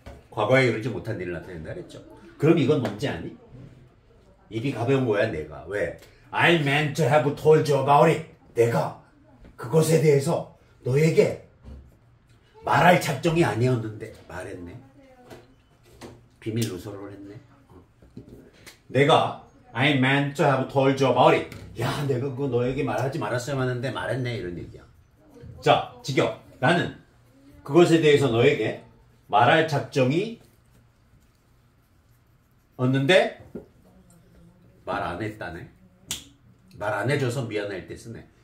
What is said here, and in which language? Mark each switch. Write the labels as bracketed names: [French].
[Korean] 과거에 이르지 못한 일을 나타낸다 그랬죠. 그럼 이건 뭔지 아니? 입이 가벼운 거야, 내가. 왜? [English] I meant to have told you about it. [Korean] 내가 그것에 대해서 너에게 말할 작정이 아니었는데 말했네. 비밀 누설을 했네. 내가 [English] I meant to have told you about it. [Korean] 야, 내가 그거 너에게 말하지 말았어야 하는데 말했네. 이런 얘기야. 자, 직역. 나는 그것에 대해서 너에게 말할 작정이 없는데 말 안 했다네. 말 안 해줘서 미안할 때 쓰네.